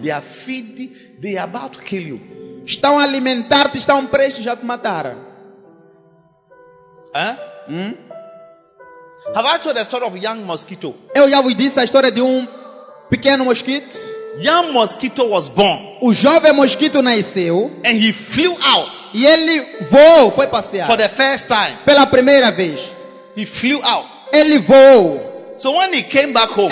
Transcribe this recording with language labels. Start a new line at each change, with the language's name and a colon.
English: They are feeding, they are about to kill you.
Portuguese: Estão a alimentar-te, estão prestes a te matar. Hã?
English: Have I told the story of a young mosquito?
Portuguese: Eu já vos disse a história de pequeno mosquito.
English: Young mosquito was born.
Portuguese: O jovem mosquito nasceu.
English: And he flew out.
Portuguese: E ele voou, foi passear.
English: For the first time.
Portuguese: Pela primeira vez.
English: He flew out.
Portuguese: Ele voou.
English: So when he came back home.